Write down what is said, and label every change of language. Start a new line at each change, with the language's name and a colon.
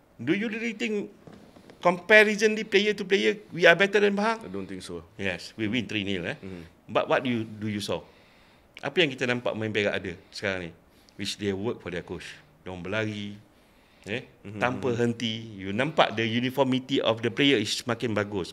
English: Do you really think comparison the player to player we are better than Pahang? I don't think so. Yes, we win 3-0 eh. Mm-hmm. But what do you saw?
Malay: Apa yang kita nampak main Perak ada sekarang ni?
English: Which they work for their coach.
Malay: Diorang berlari. Tanpa henti.
English: You
Malay: nampak
English: the uniformity of the player is
Malay: semakin bagus.